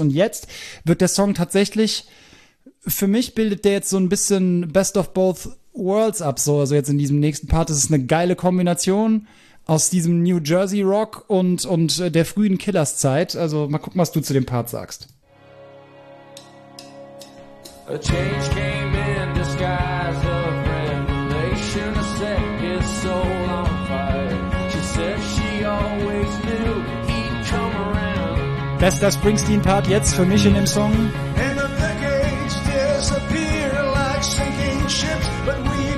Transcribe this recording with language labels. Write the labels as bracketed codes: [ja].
[de] Und jetzt wird der Song tatsächlich, für mich bildet der jetzt so ein bisschen Best of Both Worlds ab. So, also jetzt in diesem nächsten Part, das ist eine geile Kombination aus diesem New Jersey Rock und der frühen Killers Zeit. Also mal gucken, was du zu dem Part sagst. [en] A change came in disguise of revelation, a set his soul on fire. She said she always knew he'd come around. [de] Bester Springsteen Part jetzt für mich in dem Song. [en] And the decades disappear like sinking ships, but we